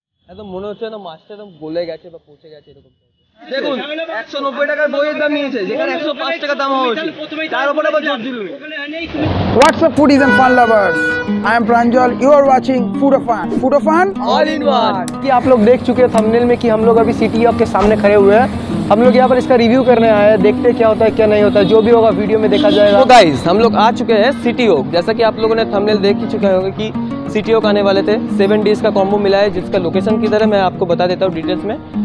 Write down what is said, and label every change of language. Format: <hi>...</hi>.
<bn>একদম মনে হচ্ছে না মাছটা একদম গলে গেছে বা পচে গেছে এরকম। দেখুন 190 টাকার বইয়ের দাম নিয়েছে, যেখানে 105 টাকা দাম হওয়া উচিত, তার উপরে আবার জোর দিল।</bn> <en>What's up foodies and fun lovers? I am Pranjal. You are watching Food of Fun. Food of Fun? All in one.</en> <hi>कि आप लोग देख चुके हैं थंबनेल में कि हम लोग अभी सिटी ऑफ के सामने खड़े हुए हैं। हम लोग यहाँ पर इसका रिव्यू करने आए हैं, देखते क्या होता है क्या नहीं होता, जो भी होगा वीडियो में देखा जाएगा। तो गाइस हम लोग आ चुके हैं सिटी ऑफ। जैसा कि आप लोगों ने थंबनेल देख ही चुके होंगे कि सिटी ऑफ आने वाले थे, 7 डेज का कॉम्बो मिला है, जिसका लोकेशन किधर है मैं आपको बता देता हूँ डिटेल्स में।</hi>